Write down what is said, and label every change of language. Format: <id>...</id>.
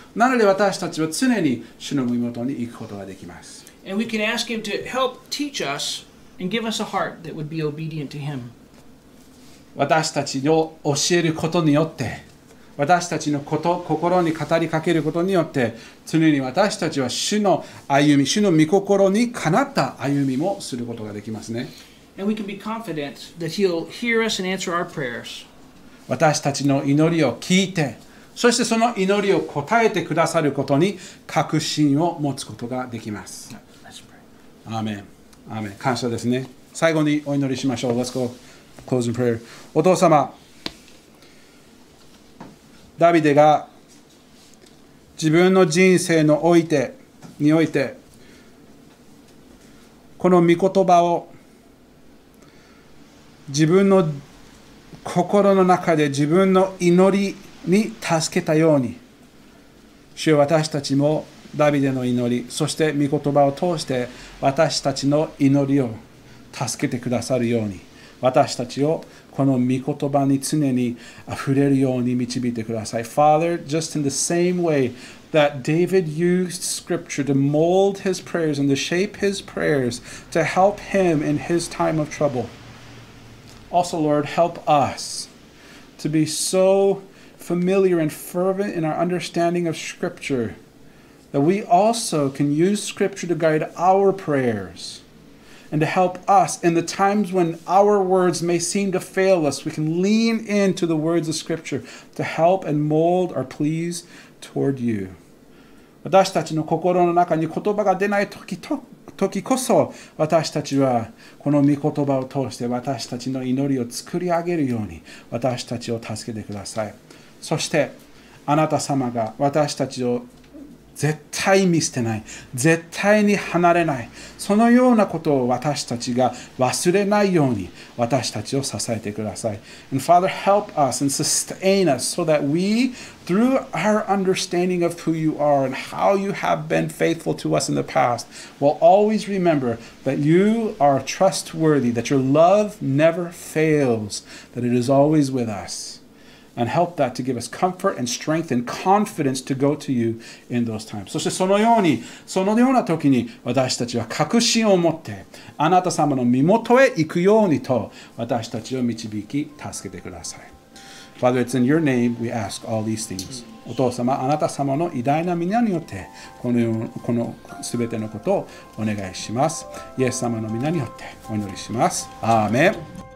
<ja>なので私たちは常に主の身元に行くことができます。</ja> <en>And we can ask him to help teach us and give us a heart that would be obedient to him.</en> <ja>私たちを教えることによって、私たちのこと、心に語りかけることによって、常に私たちは主の歩み、主の御心にかなった歩みもすることができますね。</ja> <en>And we can be confident that he'll hear us and answer our prayers.</en> <ja>私たちの祈りを聞いて、そしてその祈りを答えてくださることに確信を持つことができます。アーメン。アーメン。感謝ですね。最後にお祈りしましょう。</ja> <en>Let's go closing prayer.</en> <ja>お父様、ダビデが自分の人生のにおいて、この御言葉を自分の心の中で自分の祈りに助けたように、主よ、私たちもダビデの祈り、そして御言葉を通して私たちの祈りを助けてくださるように、私たちをこの御言葉に常にあふれるように導いてください。</ja> <en>Father, just in the same way that David used scripture to mold his prayers and to shape his prayers to help him in his time of trouble, also Lord, help us to be soFamiliar and fervent in our understanding of Scripture, that we also can use Scripture to guide our prayers and to help us in the times when our words may seem to fail us. We can lean into the words of Scripture to help and mold our pleas toward you.</en> <ja>私たちの心の中に言葉が出ない時こそ、私たちはこの御言葉を通して私たちの祈りを作り上げるように私たちを助けてください。そしてあなた様が私たちを絶対見捨てない、絶対に離れない、そのようなことを私たちが忘れないように私たちを支えてください。</ja> <en>And Father, help us and sustain us so that we, through our understanding of who you are and how you have been faithful to us in the past, will always remember that you are trustworthy, that your love never fails, that it is always with usAnd help that to give us comfort and strength and confidence to go to you in those times.</en> <ja>そしてそのような時に私たちは確信を持ってあなた様の身元へ行くようにと私たちを導き助けてください。</ja> <en>Father, it's in your name we ask all these things.</en> <ja>お父様、あなた様の偉大な皆によってこの全てのことをお願いします。イエス様の皆によってお祈りします。アーメン。</ja>